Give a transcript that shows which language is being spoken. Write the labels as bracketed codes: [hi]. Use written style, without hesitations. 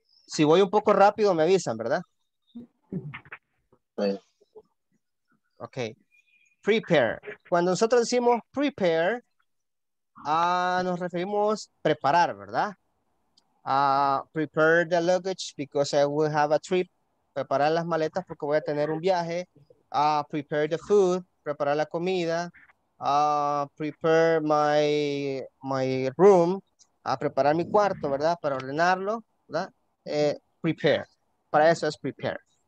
[es] Si voy un poco rápido, me avisan, ¿verdad? Ok. Prepare. Cuando nosotros decimos prepare, nos referimos a preparar, ¿verdad? [en] Prepare the luggage because I will have a trip. [es] Preparar las maletas porque voy a tener un viaje. [en] Prepare the food. [es] Preparar la comida. [en] Prepare my room. [es] Preparar mi cuarto, ¿verdad? Para ordenarlo, ¿verdad? Prepare. Para eso es prepare.